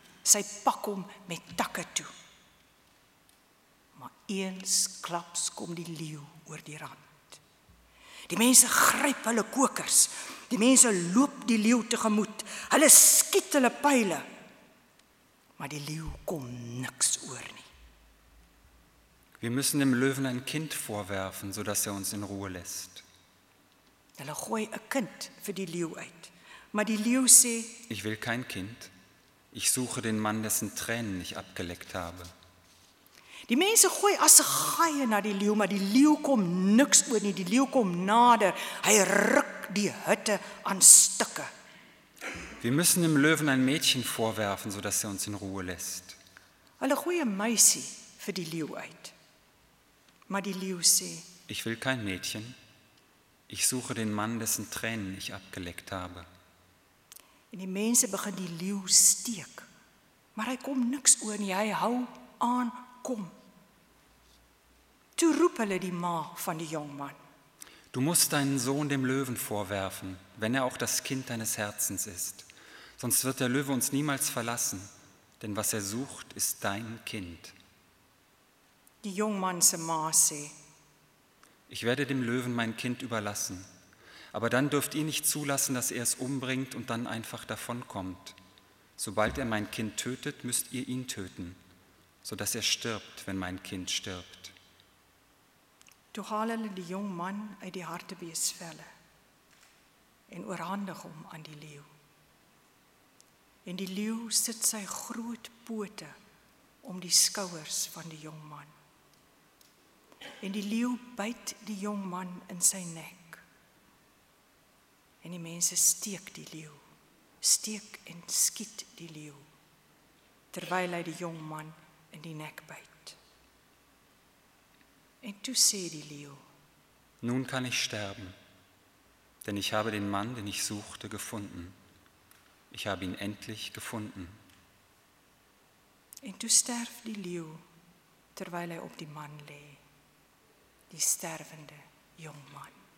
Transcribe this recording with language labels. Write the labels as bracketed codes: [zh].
[af] Sy pak hom met takke toe. Maar eens klaps kom die leeu oor die rand. Die mense gryp hulle kokers. Die mense loop die leeu tegemoet. Hulle skiet hulle pyle. Maar die leeu kom niks oor nie. [de] Wir müssen dem Löwen ein Kind vorwerfen, sodass er uns in Ruhe lässt. [af] Hulle gooi 'n kind vir die leeu uit. Maar die leeu sê: [de] Ich will kein Kind. Ich suche den Mann, dessen Tränen ich abgeleckt habe. [af] Die mense gooi as 'n gaie na die leeu, maar die leeu kom niks oor nie. Die leeu kom nader. Hy ruk die hutte aan stukke. [de] Wir müssen dem Löwen ein Mädchen vorwerfen, sodass er uns in Ruhe lässt. [af] Hulle gooi 'n meisie vir die leeu uit. Maar die leeu sê: [de] Ich will kein Mädchen. Ich suche den Mann, dessen Tränen ich abgeleckt habe. [af] En die mense begin die leeu steek. Maar hy kom niks oor nie. Hy hou aan kom. Toe roep hulle die ma van die jong man. [de] Du musst deinen Sohn dem Löwen vorwerfen, wenn er auch das Kind deines Herzens ist. Sonst wird der Löwe uns niemals verlassen, denn was er sucht, ist dein Kind. [af] Die jongman se ma sê: [de] Ich werde dem Löwen mein Kind überlassen. Aber dann dürft ihr nicht zulassen, dass er es umbringt und dann einfach davonkommt. Sobald er mein Kind tötet, müsst ihr ihn töten, sodass er stirbt, wenn mein Kind stirbt. [af] Toe haal hulle die jong man uit die hartebeesvelle en oorhandig hom aan die leeu. En die leeu sit sy groot pote om die skouers van die jong man. En die leeu byt die jong man in sy nek. En die mense steek die leeu, steek en skiet die leeu, terwyl hy die jong man in die nek byt. En toe sê die leeu: [de] Nun kann ich sterben, denn ich habe den Mann, den ich suchte, gefunden. Ich habe ihn endlich gefunden. [af] En toe sterf die leeu, terwyl hy op die man lê, die stervende jong man.